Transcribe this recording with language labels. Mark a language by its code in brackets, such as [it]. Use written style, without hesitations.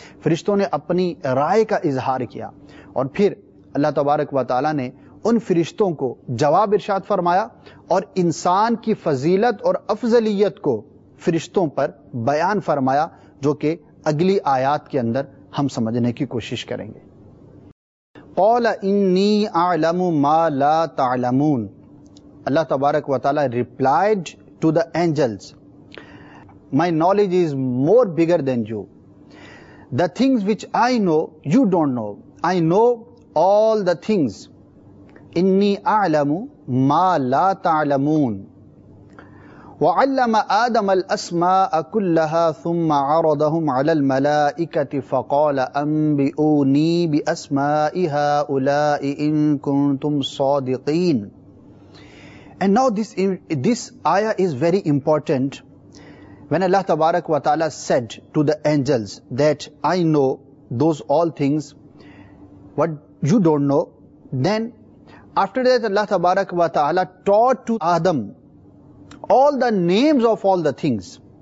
[ur] فرشتوں نے اپنی رائے کا اظہار کیا، اور پھر اللہ تبارک و تعالیٰ نے ان فرشتوں کو جواب ارشاد فرمایا، اور انسان کی فضیلت اور افضلیت کو فرشتوں پر بیان فرمایا، جو کہ اگلی آیات کے اندر ہم سمجھنے کی کوشش کریں گے. [ar] قال انی اعلم ما لا تعلمون. [en] اللہ تبارک و تعالی replied to the angels, my knowledge is more bigger than you. The things which I know, you don't know. I know all the things. [ar] انی اعلم ما لا تعلمون. وعلم آدم الاسماء كلها ثم عرضهم على الملائكة فقال انبئوني باسماء هؤلاء ان كنتم صادقين. [en] And now this ayah is very important. When Allah Tabarak wa Ta'ala said to the angels that I know those all things what you don't know, then after that Allah Tabarak wa Ta'ala taught to Adam all the names of all the things.